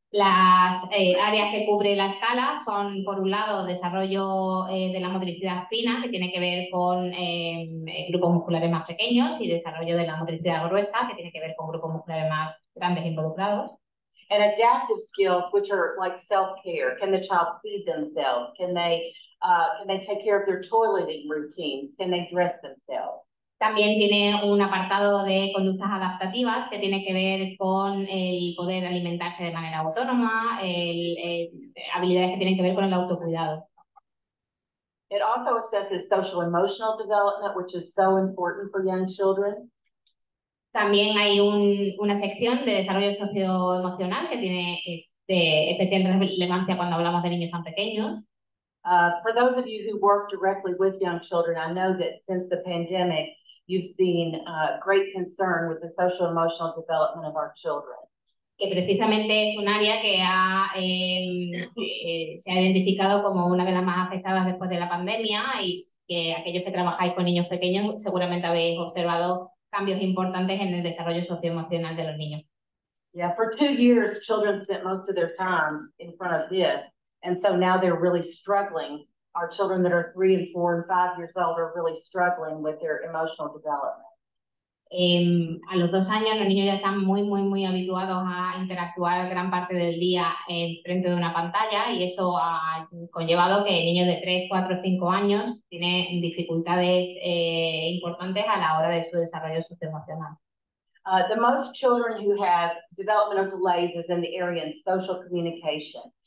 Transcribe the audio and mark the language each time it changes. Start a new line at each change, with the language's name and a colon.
Spanish: Las áreas que cubre la escala son, por un lado, desarrollo de la motricidad fina, que tiene que ver con grupos musculares más pequeños, y desarrollo de la motricidad gruesa, que tiene que ver con grupos musculares más grandes involucrados.
English: And adaptive skills, which are like self-care. Can the child feed themselves? Can they take care of their toileting routine? Can they dress themselves?
Spanish: También tiene un apartado de conductas adaptativas que tiene que ver con el poder alimentarse de manera autónoma, habilidades que tienen que ver con el autocuidado.
English: It also assesses social-emotional development, which is so important for young children.
Spanish: También hay una sección de desarrollo socioemocional que tiene especial relevancia cuando hablamos de niños tan pequeños.
English: For those of you who work directly with young children, I know that since the pandemic, you've seen great concern with the social emotional development of our children.
Spanish: Que precisamente es un área que se ha identificado como una de las más afectadas después de la pandemia, y que aquellos que trabajáis con niños pequeños seguramente habéis observado cambios importantes en el desarrollo socioemocional de los niños.
English: Yeah, for 2 years, children spent most of their time in front of this, and so now they're really struggling. Our children that are 3 and 4 and 5 years old are really struggling with their emotional development.
Spanish: A los 2 años, los niños ya están muy, muy, muy habituados a interactuar gran parte del día frente de una pantalla, y eso ha conllevado que niños de 3, 4, 5 años tienen dificultades importantes a la hora de su desarrollo socioemocional.
English: The most children who have developmental delays is in the area in social communication.